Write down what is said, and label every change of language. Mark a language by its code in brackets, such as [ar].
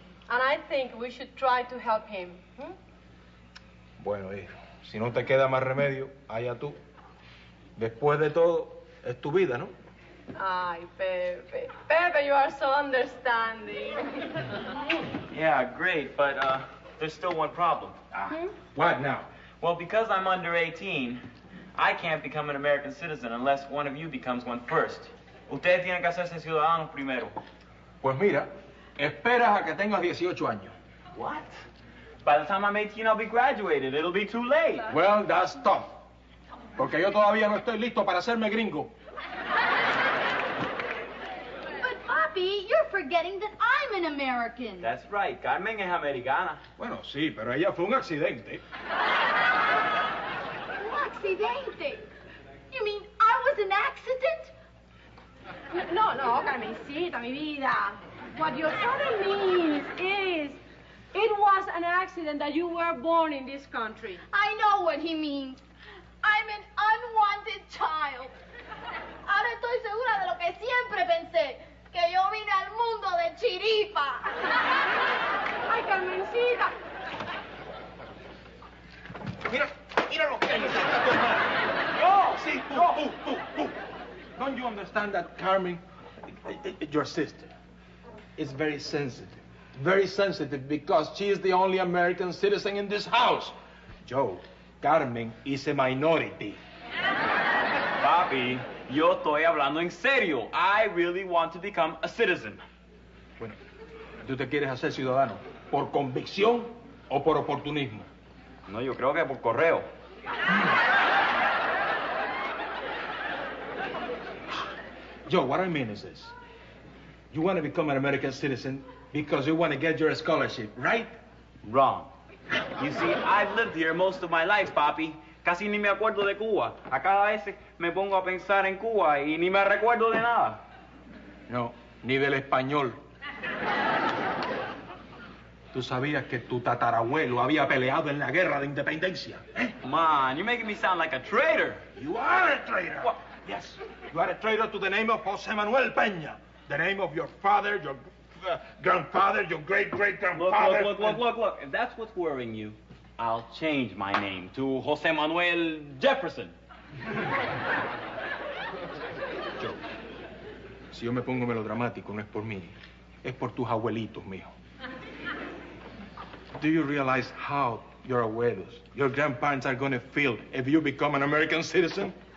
[en] And I think we should try to help him. Hmm? [es] Bueno, hijo, si no te queda más remedio, allá tú. Después de todo, es tu vida, ¿no? [en] Ay, Pepe. Pepe, you are so understanding. Yeah, great, but there's still one problem. Hmm? What now? Well, because I'm under 18, I can't become an American citizen unless one of you becomes one first. [es] Ustedes tienen que hacerse ciudadanos primero. Pues mira, esperas a que tengas 18 años. [en] What? By the time I'm 18, I'll be graduated. It'll be too late. Well, that's tough. [es] Porque yo todavía no estoy listo para hacerme gringo. [en] But, Papi, you're forgetting that I'm an American. That's right. [es] Carmen es americana. Bueno, sí, pero ella fue un accidente. Un accidente? [en] You mean I was an accident? [es] No, no, Carmencita, mi vida. [en] What your father means is, it was an accident that you were born in this country. I know what he means. I'm an unwanted child. [es] Ahora estoy segura de lo que siempre pensé, que yo vine al mundo de chiripa. Ay, Carmencita. Mira, mira lo que hay. Yo. Sí, tú, yo. Tú, tú, tú. [en] Don't you understand that Carmen, your sister, is very sensitive. Very sensitive because she is the only American citizen in this house. Joe, Carmen is a minority. [es] Papi, yo estoy hablando en serio. [en] I really want to become a citizen. [es] Bueno, ¿tú te quieres hacer ciudadano? ¿Por convicción o por oportunismo? No, yo creo que por correo. [en] Joe, what I mean is this. You want to become an American citizen because you want to get your scholarship, right? Wrong. You see, I've lived here most of my life, papi. [es] Casi ni me acuerdo de Cuba. A cada vez me pongo a pensar en Cuba y ni me recuerdo de nada. No, ni del español. ¿Tú sabías que tu tatarabuelo había peleado en la guerra de independencia? [en] Man, you're making me sound like a traitor. You are a traitor. What? Yes, you are a traitor to the name of José Manuel Peña. The name of your father, your grandfather, your great-great-grandfather. Look, if that's what's worrying you, I'll change my name to José Manuel Jefferson. [es] Joe, si yo me pongo melodramático, no es por mí. Es por tus abuelitos, mijo. [en] Do you realize how your abuelos, your grandparents are going to feel if you become an American citizen?